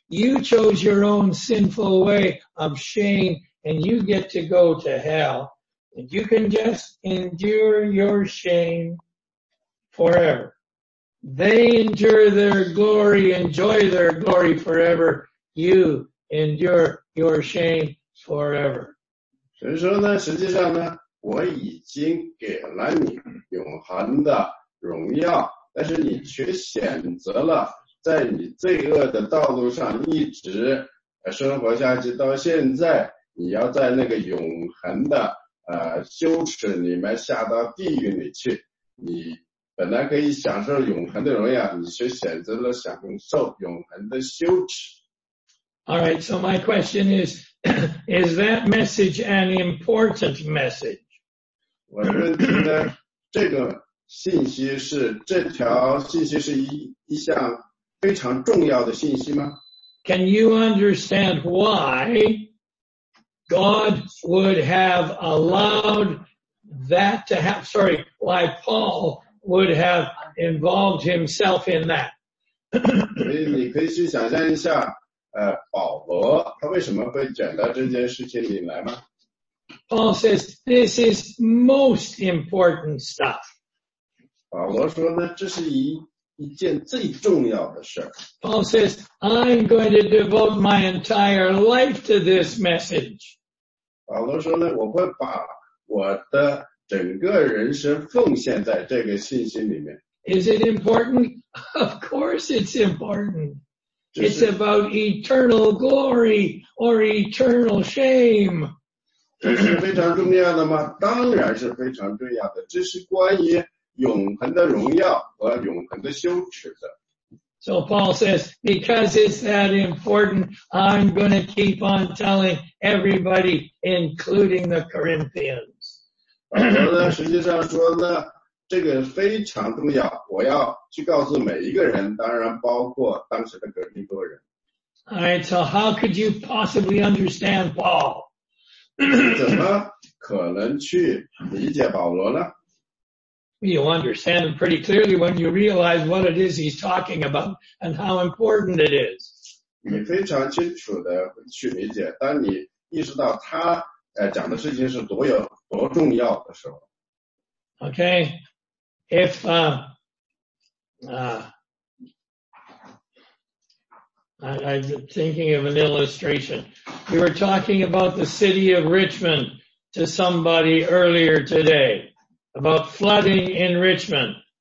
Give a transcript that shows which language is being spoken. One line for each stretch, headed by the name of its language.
English: You chose your own sinful way of shame and you get to go to hell. And you can just endure your shame forever. They endure their glory, enjoy their glory forever. You endure your shame forever.
Chinese: 神说呢，实际上呢，我已经给了你永恒的荣耀，但是你却选择了在你罪恶的道路上一直生活下去，到现在你要在那个永恒的羞耻里面下到地狱里去，你本来可以享受永恒的荣耀，你却选择了享受永恒的羞耻。
English: All right, so my question is, is that message an important message?
Chinese: 我认定呢，这个信息是，这条信息是一项非常重要的信息吗？
English: Can you understand why God would have allowed that to happen? Sorry, why Paul would have involved himself in that?
Chinese: 你可以去想象一下保罗他为什么会卷到这件事情里来吗？
English: Paul says, this is most important stuff.
Chinese: 保罗说呢，这是一件最重要的事。
English: Paul says, I'm going to devote my entire life to this message.
Chinese: 保罗说呢，我会把我的整个人生奉献在这个信息里面。
English: Is it important? Of course it's important. It's about eternal glory or eternal shame.
Chinese: 这是非常重要的吗？当然是非常重要的。这是关于永恒的荣耀和永恒的羞耻的。
English: So Paul says, because it's that important, I'm going to keep on telling everybody, including the Corinthians.
Chinese: 实际上说呢，这个非常重要，我要去告诉每一个人，当然包括当时的哥林多人。
English: Alright, so how could you possibly understand Paul?
Chinese: 怎么可能去理解保罗呢？
English: You understand him pretty clearly when you realize what it is he's talking about and how important it is.
Chinese: 你非常清楚的去理解，当你意识到他讲的事情是多重要的时候。
English: Okay. If, I'm thinking of an illustration. We were talking about the city of Richmond to somebody earlier today, about flooding in Richmond.